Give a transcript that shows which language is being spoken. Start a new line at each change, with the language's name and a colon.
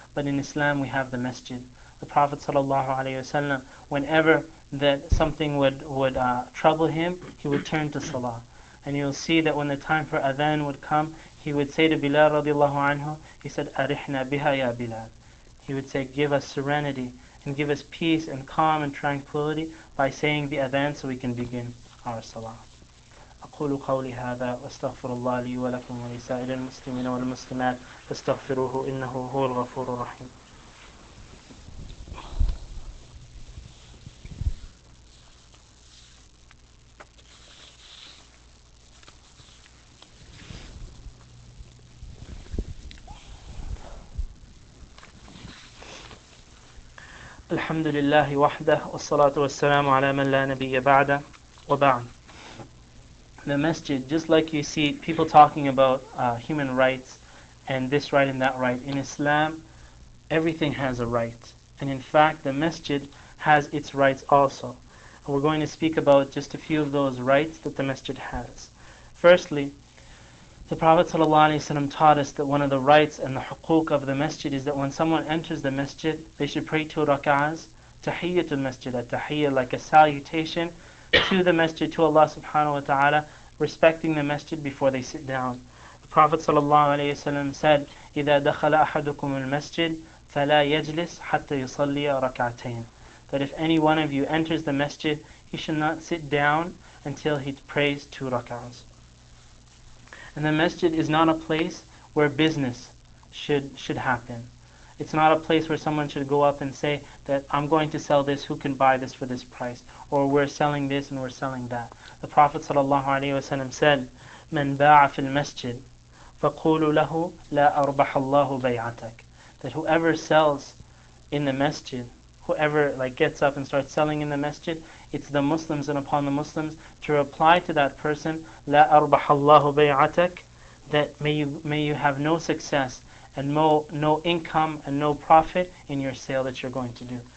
English: But in Islam, we have the masjid. The Prophet sallallahu alaihi wasallam, whenever that something would trouble him, he would turn to salah. And you'll see that when the time for adhan would come, he would say to Bilal radiallahu anhu, he said,
Arabic: arihna biha ya Bilal.
English: He would say, give us serenity and give us peace and calm and tranquility by saying the adhan so we can begin our salah.
Arabic: أقول قولي هذا واستغفر الله لي ولكم ولسائر المسلمين والمسلمات فاستغفروه إنه هو الغفور الرحيم. الحمد لله وحده والصلاة والسلام على من لا نبي بعده وبعد.
English: The masjid, just like you see people talking about human rights and this right and that right, in Islam, everything has a right. And in fact, the masjid has its rights also. And we're going to speak about just a few of those rights that the masjid has. Firstly, the Prophet ﷺ taught us that one of the rights and the huquq of the masjid is that when someone enters the masjid, they should pray two rak'ahs, tahiyyatul masjid, a tahiyyah, like a salutation to the masjid, to Allah subhanahu wa ta'ala, respecting the masjid before they sit down. The Prophet ﷺ said,
Arabic: إِذَا دَخَلَ أَحَدُكُمُ الْمَسْجِدِ فَلَا يَجْلِسْ حَتَّى يُصَلِّيَ رَكَعْتَيْنِ.
English: That if any one of you enters the masjid, he should not sit down until he prays two rak'ahs. And the masjid is not a place where business should happen. It's not a place where someone should go up and say that I'm going to sell this, who can buy this for this price? Or we're selling this and we're selling that. The Prophet ﷺ said,
Arabic: مَنْ بَاعَ فِي الْمَسْجِدِ فَقُولُ لَهُ لَا أَرْبَحَ اللَّهُ بَيْعَتَكَ.
English: That whoever sells in the masjid, whoever like gets up and starts selling in the masjid, it's the Muslims and upon the Muslims to reply to that person,
Arabic: لَا أَرْبَحَ اللَّهُ بَيْعَتَكَ,
English: that may you have no success and no income and no profit in your sale that you're going to do.